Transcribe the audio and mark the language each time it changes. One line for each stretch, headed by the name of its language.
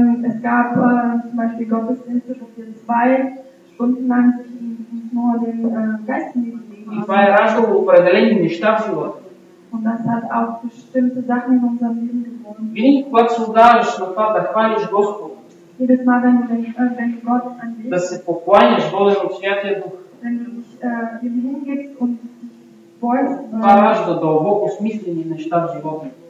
German: Es gab zum Beispiel Gottesdienste, wo wir zwei Stunden lang nur den Geist hingegeben haben.
Bulgarian: И това е раждало определени неща в живота.
German: Und das hat auch bestimmte Sachen in unserem Leben gewonnen.
Bulgarian: Винаги, когато се отдаваш на това, да хвалиш Господа.
German: Jedes Mal, wenn du Gott anbetest.
Bulgarian: Да се покланяш, воден от Святия Дух.
German: Wenn du dich ihm hingibst und beugst,
Bulgarian: това ражда дълбоко смислени неща в живота.